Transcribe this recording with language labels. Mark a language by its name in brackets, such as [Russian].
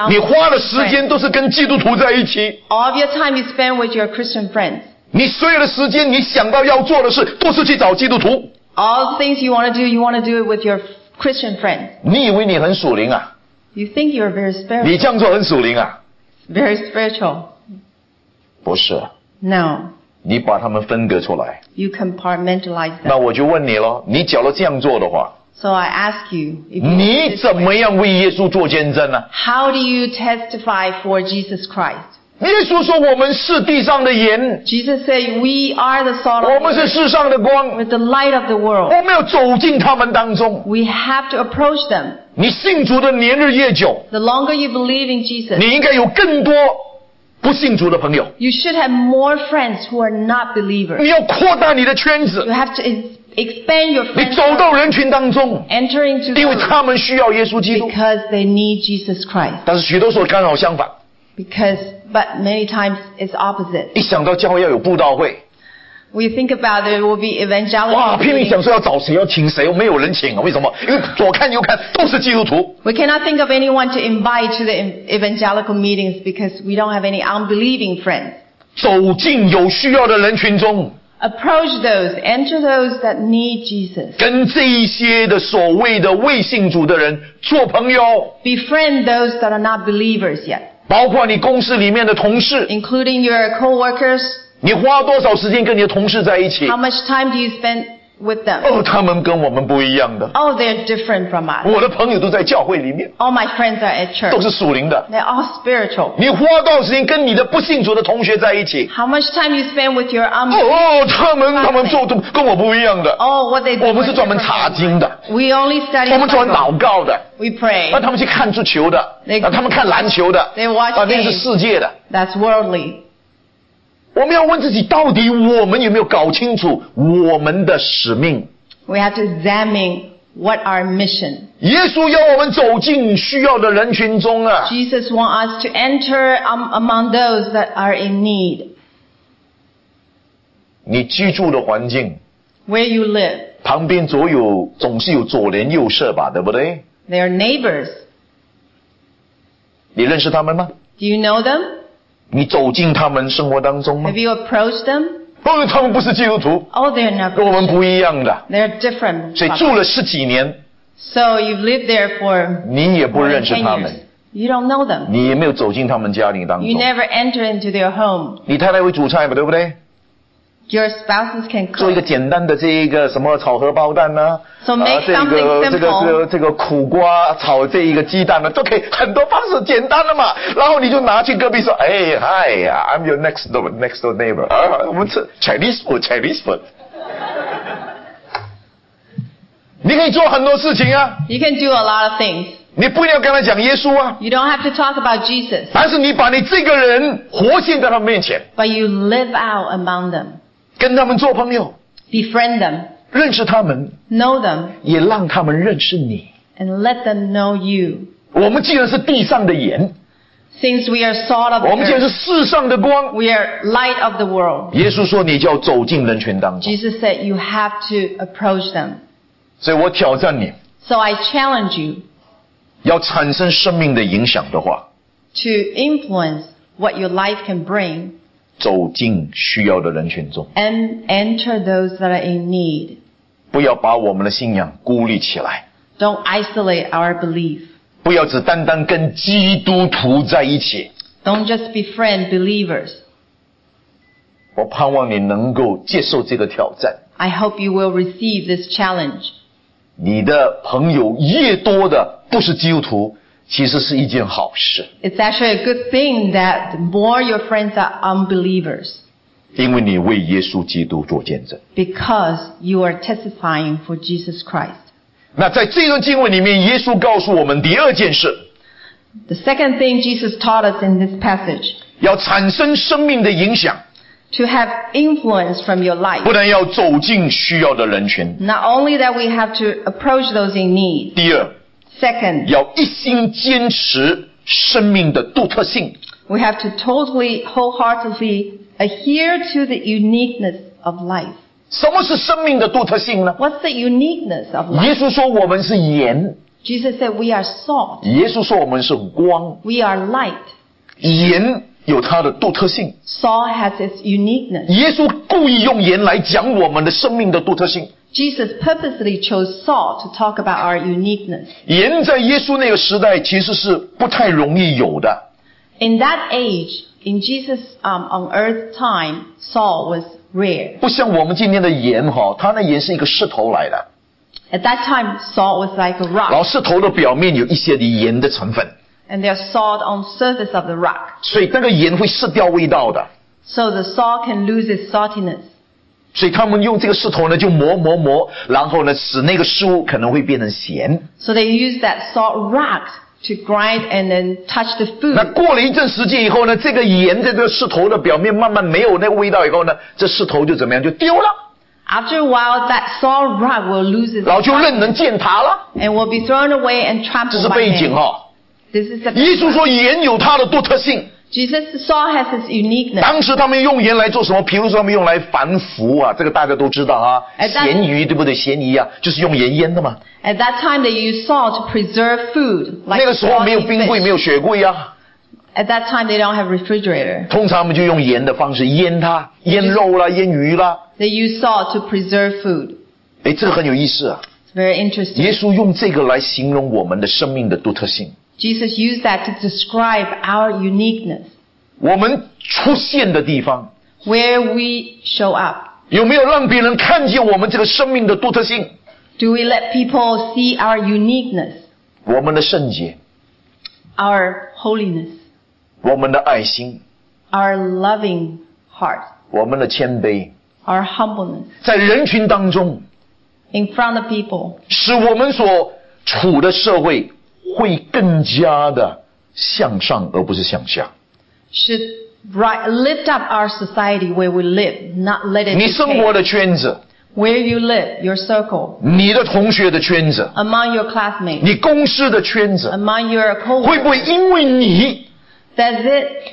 [Chinese] 你花的时间都是跟基督徒在一起 [English] All of your time you spend with your Christian friends [Chinese] 你所有的时间你想到要做的事都是去找基督徒 [English] All the things you want to do it with your Christian friends [Chinese] 你以为你很属灵啊 [English] You think you're very spiritual [Chinese] 你这样做很属灵啊 [English] Very spiritual [Chinese] 不是 [English] No [Chinese] 你把他们分隔出来。 [English] You compartmentalize them. [Chinese] 那我就问你咯，你假如这样做的话。 [English] So I ask you, [Chinese] 你怎么样为耶稣做见证呢？ [English] How do you testify for Jesus Christ? [Chinese] 耶稣说我们是地上的盐。 [English] Jesus said, we are the salt of the earth. [Chinese] 我们是世上的光。 [English] With the light of the world. [Chinese] 我们要走进他们当中。 [English] We have to approach them. [Chinese] 你信主的年日越久。 [English] The longer you believe in Jesus. [Chinese] 你应该有更多不信主的朋友。 [English] You should have more friends who are not believers. [Chinese] 你要扩大你的圈子。 [English] You have to expand your friends. [Chinese] 你走到人群当中。 [English] Enter into them. [Chinese] 因为他们需要耶稣基督。 [English] Because they need Jesus Christ. [Chinese] 但是许多时候刚好相反。 [English] But many times it's opposite. [Chinese] 一想到教会要有布道会。 [English] We think about there will be evangelism. [Chinese] 哇，拼命想说要找谁，要请谁，没有人请啊？为什么？因为左看右看都是基督徒。 [English] We cannot think of anyone to invite to the evangelical meetings because we don't have any unbelieving friends. [Chinese] 走进有需要的人群中。 [English] Approach those, enter those that need Jesus. [Chinese] 跟这一些的所谓的未信主的人做朋友。 [English] Befriend those that are not believers yet. [Chinese] 包括你公司里面的同事。 [English] Including your co-workers. [Chinese] 你花多少时间跟你的同事在一起 [English] How much time do you spend with them? [Chinese] 哦，他们跟我们不一样的 [English] Oh, they're different from us [Chinese] 我的朋友都在教会里面 [English] All my friends are at church [Chinese] 都是属灵的 [English] They're all spiritual [Chinese] 你花多少时间跟你的不信主的同学在一起 [English] How much time you spend with your [Chinese] 他们做都跟我不一样的 [English] Oh, what they do [Chinese] 我们是专门查经的 [English] We only study [Chinese] 我们专门祷告的 [English] We pray [Chinese] 他们去看足球的 他们看篮球的 [English] They watch games [Chinese] 那是世界的 [English] That's worldly [Chinese] 我们要问自己到底我们有没有搞清楚我们的使命 [English] We have to examine what our mission [Chinese] 耶稣要我们走进需要的人群中啊 [English] Jesus wants us to enter among those that are in need [Chinese] 你居住的环境 [English] Where you live [Chinese] 旁边总是有左邻右舍吧对不对 [English] They are neighbors [Chinese] 你认识他们吗 [English] Do you know them? [Chinese] 你走进他们生活当中吗 [English] Have you approached them? [Chinese] 不是他们不是基督徒 [English] Oh, they're not Christian [Chinese] 跟我们不一样的 [English] They're different [Chinese] 所以住了十几年 [English] So you've lived there for [Chinese] 你也不认识他们 [English] You don't know them [Chinese] 你也没有走进他们家庭当中 [English] You never enter into their home [Chinese] 你太太会煮菜吗对不对 [English] Your spouses can cook [Chinese] 做一个简单的这一个什么炒荷包蛋呢、啊、 [English] So make something simple、 [Chinese] 这个苦瓜炒这一个鸡蛋呢、啊、都可以很多方式简单的嘛然后你就拿去隔壁说哎嗨呀 [English] I'm your next door neighbor [Chinese] 我们吃 Chinese food 你可以做很多事情啊 [English] You can do a lot of things [Chinese] 你不一定要跟他讲耶稣啊 [English] You don't have to talk about Jesus [Chinese] 但是你把你这个人活现在他们面前 [English] But you live out among them [Chinese] 跟他们做朋友 [English] befriend them [Chinese] 认识他们 [English] know them [Chinese] 也让他们认识你 [English] and let them know you [Chinese] 我们既然是地上的盐 [English] since we are salt of the earth [Chinese] 我们既然是世上的光 [English] we are light of the world [Chinese] 耶稣说你就要走进人群当中 [English] Jesus said you have to approach them [Chinese] 所以我挑战你 [English] so I challenge you [Chinese] 要产生生命的影响的话 [English] to influence what your life can bring [Chinese] 走进需要的人群中。 [English] And enter those that are in need. [Chinese] 不要把我们的信仰孤立起来。 [English] Don't isolate our belief. [Chinese] 不要只单单跟基督徒在一起。 [English] Don't just befriend believers. [Chinese] 我盼望你能够接受这个挑战。 [English] I hope you will receive this challenge. [Chinese] 你的朋友越多的不是基督徒，其实是一件好事。 [English] It's actually a good thing that more your friends are unbelievers. [Chinese] 因为你为耶稣基督做见证。 [English] Because you are testifying for Jesus Christ. [Chinese] 那在这段经文里面，耶稣告诉我们第二件事。 [English] The second thing Jesus taught us in this passage. [Chinese] 要产生生命的影响。 [English] To have influence from your life. [Chinese] 不能要走进需要的人群。 [English] Not only that we have to approach those in need. [Chinese] 第二。 [English] Second, [Chinese] 要一心坚持生命的独特性。 [English] We have to totally, wholeheartedly adhere to the uniqueness of life. [Chinese] 什么是生命的独特性呢？ [English] What's the uniqueness of life? [Chinese] 耶稣说我们是盐。 [English] Jesus said we are salt. [Chinese] 耶稣说我们是光。 [English] We are light. [Chinese] 盐有它的独特性。 [English] Salt has its uniqueness. [Chinese] 耶稣故意用盐来讲我们的生命的独特性。 [English] Jesus purposely chose salt to talk about our uniqueness. [Chinese] 盐在耶稣那个时代其实是不太容易有的。 [English] In that age, in Jesus, on earth time, salt was rare. [Chinese] 不像我们今天的盐哈，它那盐是一个石头来的。 [English] At that time, salt was like a rock. [Chinese] 然后石头的表面有一些的盐的成分。 [English] And there's salt on the surface of the rock. [Chinese] 所以那个盐会失掉味道的。 [English] So the salt can lose its saltiness. [Chinese] 所以他们用这个石头呢就磨磨磨，然后呢使那个食物可能会变成咸。 [English] So they use that salt rock to grind and then touch the food. [Chinese] 那过了一阵时间以后呢，这个盐在这个石头的表面慢慢没有那个味道以后呢，这石头就怎么样，就丢了。 [English] After a while, that salt rock will lose its. [Chinese] 然后就任人践踏了。 [English] And will be thrown away and trampled. [Chinese] 这是背景哈。 [English] This is the. [Chinese] 耶稣说盐有它的独特性。 [English] Jesus, salt has its uniqueness. [Chinese] 当时他们用盐来做什么？比如说他们用来反腐啊，这个大家都知道啊。咸鱼对不对？咸鱼啊，就是用盐腌的嘛。 [English] At that time, they used salt to preserve food. [Chinese] Like 那个时候没有冰柜，没有雪柜啊。 [English] At that time, they don't have refrigerator. [Chinese] 通常他们就用盐的方式腌它，腌肉啦，腌鱼啦。 [English] They used salt to preserve food. [Chinese] 哎，这个很有意思啊。 [English] It's very interesting. [Chinese] 耶稣用这个来形容我们的生命的独特性。 [English] Jesus used that to describe our uniqueness. [Chinese] 我们出现的地方。 [English] Where we show up. [Chinese] 有没有让别人看见我们这个生命的独特性？ [English] Do we let people see our uniqueness? [Chinese] 我们的圣洁。 [English] Our holiness. [Chinese] 我们的爱心。 [English] Our loving heart. [Chinese] 我们的谦卑。 [English] Our humbleness. [Chinese] 在人群当中。 [English] In front of people. [Chinese] 使我们所处的社会会更加的向上而不是向下。 [English] Should right, lift up our society where we live, not let it decay. [Chinese] 你生活的圈子。 [English] Where you live, your circle. [Chinese] 你的同学的圈子。 [English] Among your classmates. [Chinese] 你公司的圈子。 [English] Among your coworkers. [Chinese] 会不会因为你 [English] Does it,